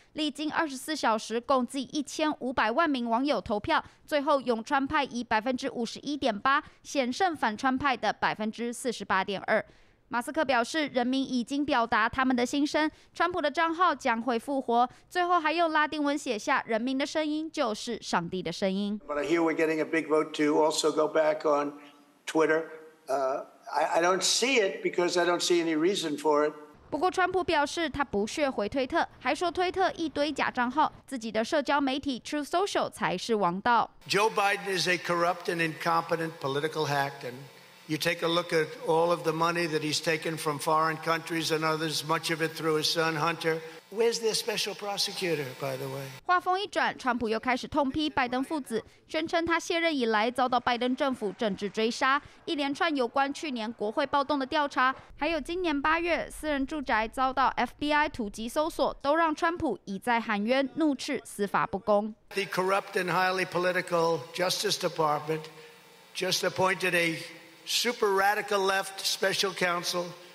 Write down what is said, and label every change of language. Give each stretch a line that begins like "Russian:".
Chinese: 历经24小时，共计1500万名网友投票，最后永川派以51.8%险胜反川派的48.2%。马斯克表示，人民已经表达他们的心声，川普的账号将会复活。最后还用拉丁文写下：“人民的声音就是上帝的声音。”
English: But I hear we're getting a big vote to also go back on Twitter. I don't see it because I don't see any reason for it.
Chinese: 不过，川普表示他不屑回推特，还说推特一堆假账号，自己的社交媒体 Truth Social 才是王道。
English: Joe Biden is a corrupt and incompetent political hack and. You take a look at all of the money that he's taken from foreign countries and others, much of it through his son Hunter. Where's their special prosecutor, by the way?
Chinese: 话锋一转，川普又开始痛批拜登父子，宣称他卸任以来遭到拜登政府政治追杀。一连串有关去年国会暴动的调查，还有今年八月私人住宅遭到 FBI 突击搜索，都让川普一再喊冤，怒斥司法不公。
English: The corrupt and highly political Justice Department just appointed a super radical left special counsel.